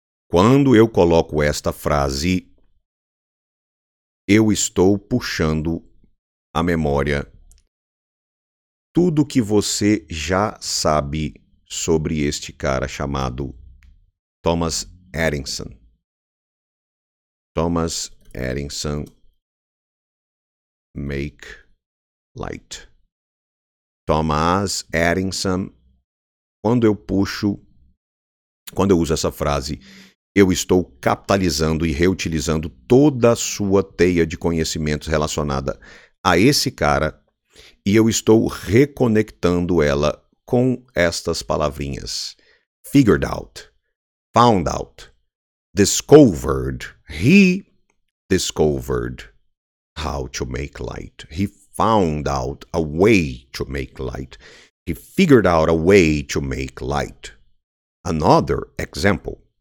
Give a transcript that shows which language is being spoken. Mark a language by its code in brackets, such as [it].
[pt] Quando eu coloco esta frase, eu estou puxando a memória. Tudo que você já sabe sobre este cara chamado Thomas Edison. [en] Thomas Edison make light. [pt] Thomas Edison, quando eu uso essa frase, eu estou capitalizando e reutilizando toda a sua teia de conhecimentos relacionada a esse cara e eu estou reconectando ela com estas palavrinhas. [en] Figured out, found out, discovered, he discovered how to make light. He found out a way to make light. He figured out a way to make light. Another example.